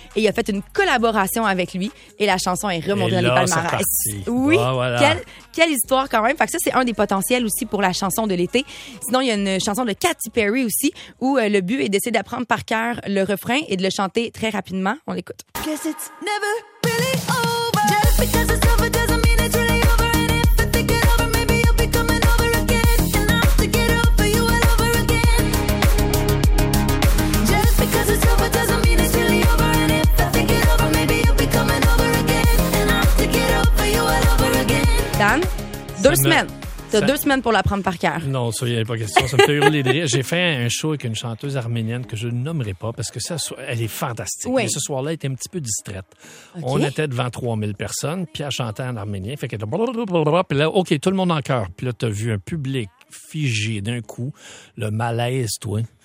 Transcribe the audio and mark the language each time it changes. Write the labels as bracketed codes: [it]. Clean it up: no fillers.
[fr] Et il a fait une collaboration avec lui. Et la chanson est remontée dans les palmarès. C'est parti. Oui, bon, voilà. Quelle histoire quand même. Fait que ça, c'est un des potentiels aussi pour la chanson de l'été. Sinon, il y a une chanson de Katy Perry aussi, où le but est d'essayer d'apprendre par cœur le refrain et de le chanter très rapidement. On l'écoute. [en] Guess it's never really over. Just because it's over doesn't mean it's really over. And if I think it over, maybe you'll be coming over again. And I'll think it over you all over again. Just because it's over doesn't mean it's really over. And if I think it over, maybe you'll be coming over again. And I'll think it over you all over again. [fr] Dan, deux semaines. T'as deux semaines pour l'apprendre par cœur. Non, ça, il n'y a pas question. Ça me fait hurler de rire. J'ai fait un show avec une chanteuse arménienne que je ne nommerai pas parce que ça, elle est fantastique. Oui. Mais ce soir-là, elle était un petit peu distraite. Okay. On était devant 3000 personnes, puis elle chantait en arménien. Fait qu'elle était... Puis là, OK, tout le monde en cœur. Puis là, t'as vu un public figé d'un coup, le malaise, toi.